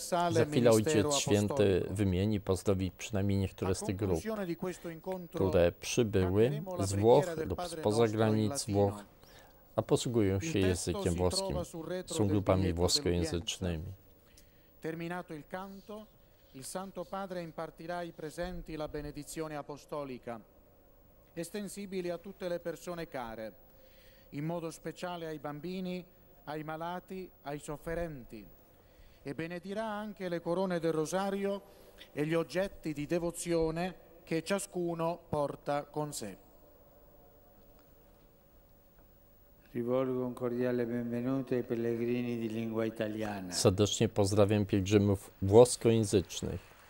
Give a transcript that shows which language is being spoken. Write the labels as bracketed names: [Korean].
[Polish] Za chwilę Ojciec Święty wymieni, pozdrowi przynajmniej niektóre z tych grup, które przybyły z Włoch lub spoza granic Włoch, a posługują się językiem włoskim, są grupami włoskojęzycznymi. [Italian] Terminato il canto, il Santo Padre impartirà ai presenti la benedizione apostolica, estensibile a tutte le persone care, in modo speciale ai bambini, ai malati, ai sofferenti, e benedirà anche le corone del rosario e gli oggetti di devozione che ciascuno porta con sé. Rivolgo un cordiale benvenuto ai pellegrini di lingua italiana. [Polish] Serdecznie pozdrawiam pielgrzymów włoskojęzycznych.